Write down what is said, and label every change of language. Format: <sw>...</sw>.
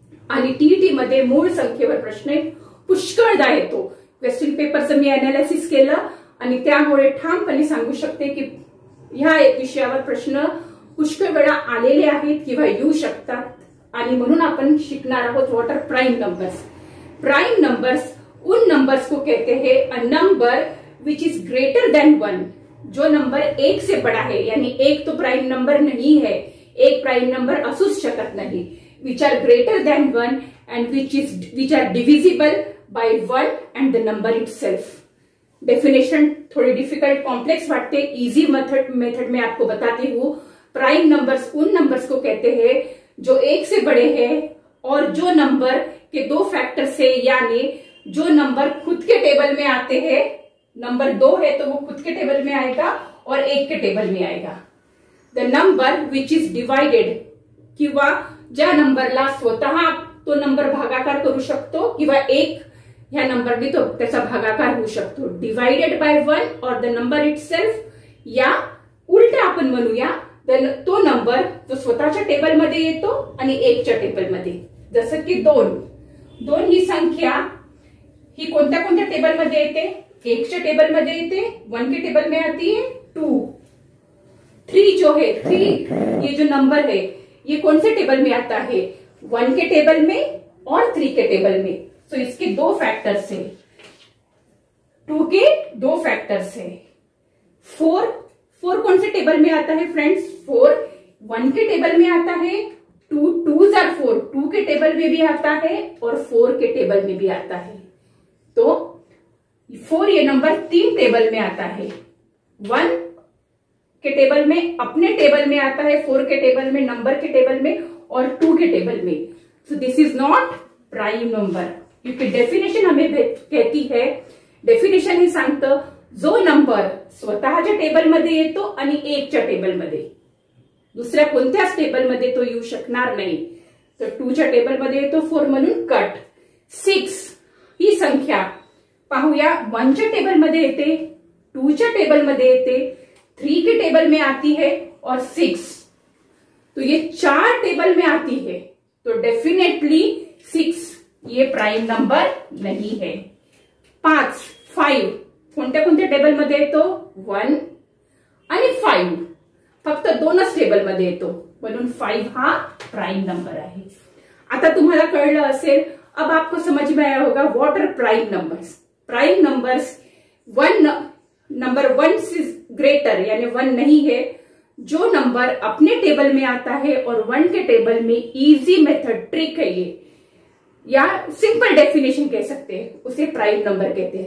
<mr>आणि टीईटी मध्ये मूळ संख्येवर प्रश्न पुष्कळदा येतो, क्वेश्चन पेपर से मी एनालिसिस केला आणि त्यामुळे ठामपणे सांगू शकते की ह्या विषयावर प्रश्न पुष्कळ वेळा आलेले आहेत किंवा येऊ शकतात, आणि म्हणून आपण शिकणार आहोत</mr> <en>What are prime numbers.</en> <hi>Prime numbers उन नंबर्स को कहते हैं,</hi> <en>a number which is greater than 1,</en> <hi>जो नंबर 1 से बड़ा है, यानी 1 तो प्राइम नंबर नहीं है,</hi> <mr>एक प्राइम नंबर असूच शकत नाही,</mr> <en>Which are greater than 1 and which are divisible by 1 and the number itself.</en> <hi>Definition थोडी डिफिकल्ट कॉम्प्लेक्स वाटते, इजी मेथड में आपको बताते हूँ। प्राइम नंबर्स उन नंबर्स को कहते हैं जो 1 से बड़े हैं और जो नंबर के 2 फैक्टर से, यानी जो नंबर खुद के टेबल में आते हैं, नंबर 2 है तो वो खुद के टेबल में आएगा और 1 के टेबल में आएगा।</hi> <en>the number which is divided,</en> <mr>किंवा ज्या नंबरला स्वतः तो नंबर भागाकार करू शकतो, किंवा 1 ह्या नंबरने तो त्याचा भागाकार होऊ शकतो,</mr> <en>divided by 1 और the number itself,</en> <mr>या उलट आपण म्हणूया तो नंबर जो स्वतःच्या टेबल मध्ये येतो आणि 1 च्या टेबल मध्ये, जसं की 2 ही संख्या ही कोणत्या कोणत्या टेबल मध्ये येते? 1 च्या टेबल मध्ये येते,</mr> <hi>1 के टेबल में आती है, 2 3 जो है, 3 ये जो नंबर है ये कौन से टेबल में आता है? 1 के टेबल में और 3 के टेबल में। सो इसके 2 फैक्टर्स है, 2 के 2 फैक्टर्स है। 4 कौन से टेबल में आता है फ्रेंड्स? 4 1 के टेबल में आता है, 2 2s are 4, 2 के टेबल में भी आता है और 4 के टेबल में भी आता है। तो 4 ये नंबर 3 टेबल में आता है, 1 के टेबल में, अपने टेबल में आता है, 4 के टेबल में, नंबर के टेबल में और 2 के टेबल में।</hi> <en>so this is not prime number,</en> <hi>क्योंकि डेफिनेशन हमें कहती है,</hi> <mr>डेफिनेशन ही सांगतं जो नंबर स्वतःच्या टेबल मध्ये येतो आणि एकच्या टेबल मध्ये, दुसऱ्या कोणत्याच टेबल मध्ये तो येऊ शकणार नाही. तर टूच्या टेबल मध्ये येतो फोर म्हणून कट. सिक्स ही संख्या पाहूया, वनच्या टेबल मध्ये येते,</mr> <hi>टूच्या टेबल मध्ये येते, थ्री के टेबल में आती है और सिक्स, तो ये चार टेबल में आती है, तो डेफिनेटली सिक्स ये प्राइम नंबर नहीं है.</hi> <mr>पांच फाइव कोणत्या कोणत्या टेबल मध्ये येतो, वन आणि फाइव फक्त दोनच टेबल मध्ये येतो, म्हणून फाइव हा प्राइम नंबर आहे. आता तुम्हाला कळलं असेल,</mr> <hi>अब आपको समझ में आया होगा</hi> <en>What are prime numbers.</en> <hi>Prime numbers one number one से ग्रेटर यानी वन नहीं है, जो नंबर अपने टेबल में आता है और वन के टेबल में, इजी मेथड ट्रिक है ये, या सिंपल डेफिनेशन कह सकते हैं, उसे प्राइम नंबर कहते हैं.</hi>